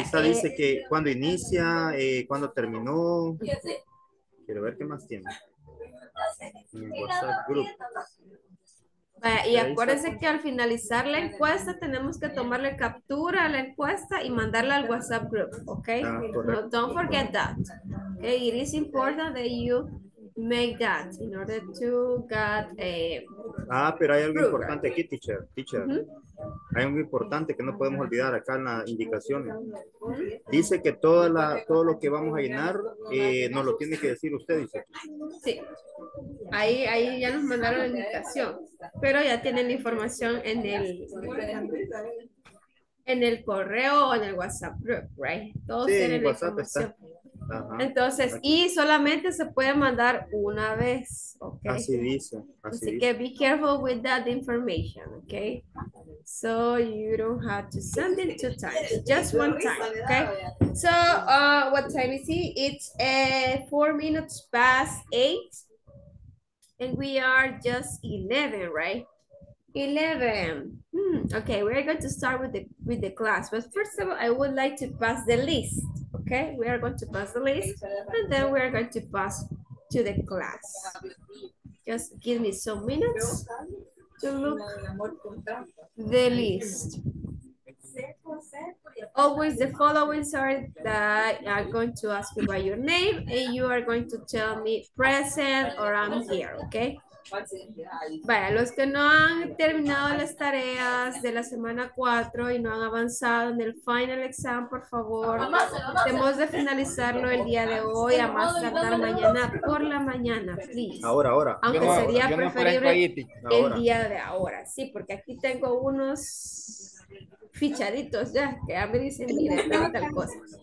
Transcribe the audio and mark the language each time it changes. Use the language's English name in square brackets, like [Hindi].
[Spanish] está, dice que cuando inicia, cuando terminó. Quiero ver qué más tiene. WhatsApp Group. Y acuérdense que al finalizar la encuesta tenemos que tomarle captura a la encuesta y mandarla al WhatsApp group, ¿ok? [English] No, don't forget that. Okay? It is important that you make that in order to get a... [Spanish] Ah, pero hay algo group, importante aquí, teacher. Teacher, mm-hmm. Hay algo importante que no podemos olvidar acá en las indicaciones. Dice que toda la, todo lo que vamos a llenar nos lo tiene que decir usted, dice. Sí. Ahí ya nos mandaron la invitación, pero ya tienen la información en el correo o en el WhatsApp group, right? Todos sí, tienen en WhatsApp está. Ajá. Entonces, aquí. Y solamente se puede mandar una vez, ¿ok? Así dice. Así [English] que be careful with that information, ¿ok? So you don't have to send it two times, just one time, okay? So what time is it? It's 8:04. And we are just 11, right? 11. Okay, we're going to start with the class. But first of all, I would like to pass the list. Okay, we are going to pass the list. And then we are going to pass to the class. Just give me some minutes to look the list. Always the followings are that are going to ask you by your name and you are going to tell me present or I'm here, okay? [Spanish] Vaya, los que no han terminado las tareas de la semana 4 y no han avanzado en el [English] final exam, [Spanish] por favor, tenemos de finalizarlo el día de hoy a más tardar mañana por la mañana, please. Ahora. Aunque sería preferible el día de ahora, sí, porque aquí tengo unos fichaditos ya, que ya me dicen, mire, tal cosa.